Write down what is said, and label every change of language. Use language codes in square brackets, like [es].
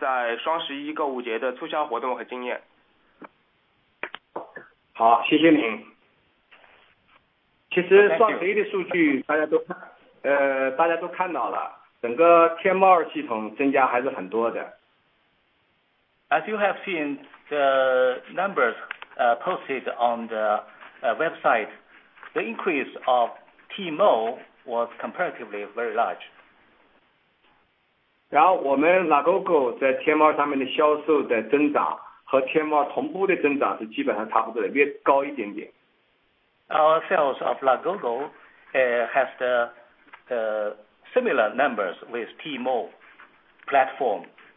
[zh] 投资人，恭喜公司第三季度的亮丽业绩。那么他想问，请问您是否能详细介绍一下今年在双十一购物节的促销活动和经验？好，谢谢您。其实双十一的数据大家都看。大家都看到了，整个天猫系统增加还是很多的。 [en] As you have seen the numbers posted on the website, the increase of Tmall was comparatively very large. [zh] 然后我们Lagogo在天猫上面的销售的增长和天猫同步的增长是基本上差不多的，略高一点点。 [en] Our sales of Lagogo has the similar numbers with Tmall platform.